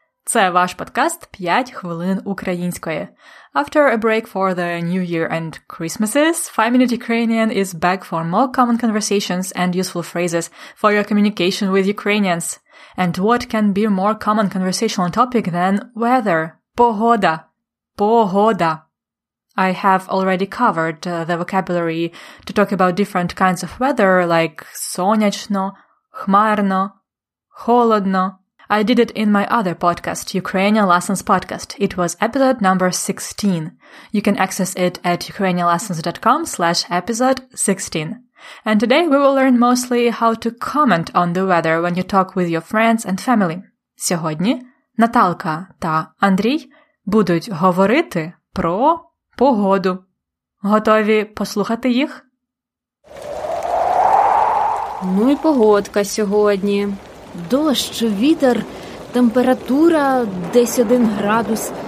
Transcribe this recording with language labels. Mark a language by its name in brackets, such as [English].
[Ukrainian] Це ваш подкаст «5 хвилин української». [English] After a break for the New Year and Christmases, 5 Minute Ukrainian is back for more common conversations and useful phrases for your communication with Ukrainians. And what can be a more common conversational topic than weather? [Ukrainian] Погода. Погода. [English] I have already covered the vocabulary to talk about different kinds of weather, like [Ukrainian] сонячно, хмарно, холодно. [English] I did it in my other podcast, Ukrainian Lessons Podcast. It was episode number 16. You can access it at ukrainianlessons.com/episode16. And today we will learn mostly how to comment on the weather when you talk with your friends and family. [Ukrainian] Сьогодні Наталка та Андрій будуть говорити про погоду. Готові послухати їх? Ну і погодка сьогодні. Дощ, вітер, температура десь 1 градус.